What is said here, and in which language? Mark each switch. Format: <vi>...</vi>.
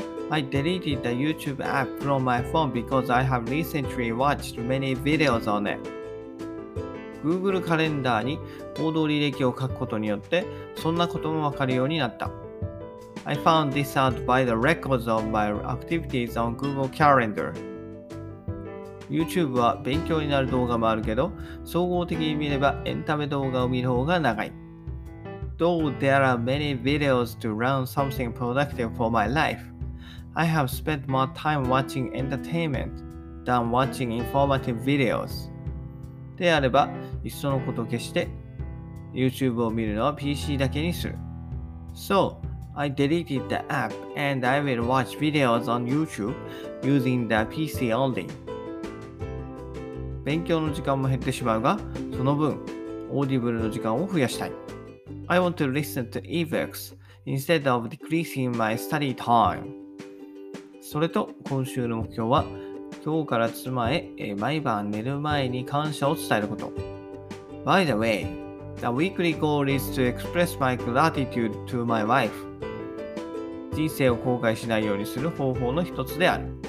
<en>I deleted the YouTube app from my phone because I have recently watched many videos on it。</en> <ja>Google カレンダーに報道履歴を書くことによってそんなこともわかるようになった。</ja> <en>I found this out by the records of my activities on Google Calendar.</en> <ja>YouTube は勉強になる動画もあるけど、総合的に見ればエンタメ動画を見る方が長い。</ja> <en>Though there are many videos to learn something productive for my life, I have spent more time watching entertainment than watching informative videos.</en> <ja>であれば、いっそのことを消して、YouTube を見るのは PC だけにする。</ja> <en>So,I deleted the app and I will watch videos on YouTube using the PC only.</en> <ja>勉強の時間も減ってしまうが、その分、オーディブルの時間を増やしたい。</ja> <en>I want to listen to ebooks instead of decreasing my study time.</en> <ja>それと、今週の目標は、今日から妻へ毎晩寝る前に感謝を伝えること。</ja> <en>By the way, the weekly goal is to express my gratitude to my wife.</en> <ja>人生を後悔しないようにする方法の一つである。</ja>